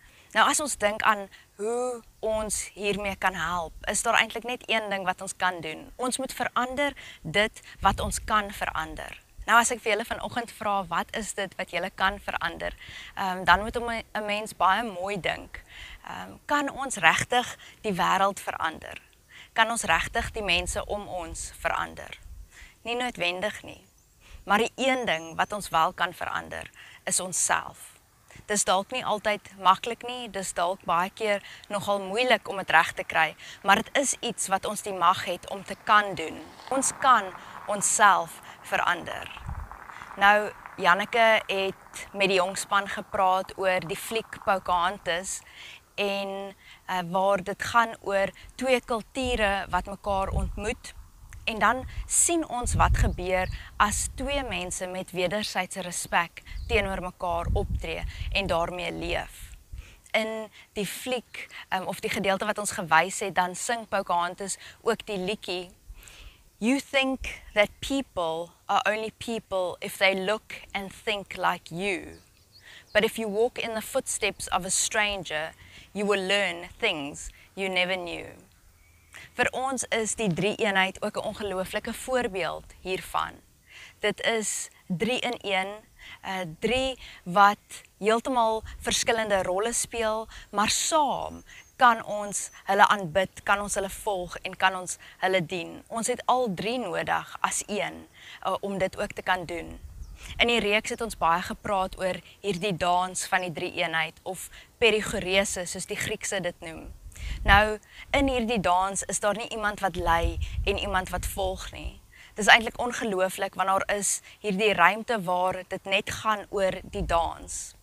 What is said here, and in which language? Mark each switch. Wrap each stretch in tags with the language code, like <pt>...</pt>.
<af>Nou as ons dink aan hoe ons hiermee kan help, is daar eintlik net een ding wat ons kan doen. Ons moet verander dit wat ons kan verander. Nou as ek vir julle vanoggend vra wat is dit wat julle kan verander, dan moet 'n mens baie mooi dink. Kan ons regtig die wêreld verander? Kan ons regtig die mense om ons verander? Nie noodwendig nie. Maar die een ding wat ons wel kan verander, is onsself. Dis dalk nie altyd maklik nie, dis dalk baie keer nogal moeilik om dit reg te kry, maar dit is iets wat ons die mag het om te kan doen. Ons kan onsself verander. Nou, Janneke het met die jongspan gepraat oor die fliek Pocahontas en waar dit gaan oor twee kulture wat mekaar ontmoet. En dan sien ons wat gebeur as twee mense met wedersydse respek teenoor mekaar optree en daarmee leef. In die fliek, of die gedeelte wat ons gewys het, dan sing Pocahontas ook die liedjie</af> <en>You think that people are only people if they look and think like you. But if you walk in the footsteps of a stranger, you will learn things you never knew.</en> <af>Vir ons is die drie-eenheid ook 'n ongelooflike voorbeeld hiervan. Dit is 3-in-1, 3 wat heeltemal verskillende rolle speel, maar saam kan ons hulle aanbid, kan ons hulle volg en kan ons hulle dien. Ons het al 3 nodig as 1 om dit ook te kan doen. In die reeks het ons baie gepraat oor hierdie dans van die drie-eenheid of perichoresis soos die Griekse dit noem. Nou, in hierdie dans is daar nie iemand wat lei en iemand wat volg nie. Dit is eintlik ongelooflik want daar is hierdie ruimte waar dit net gaan oor die dans.</af>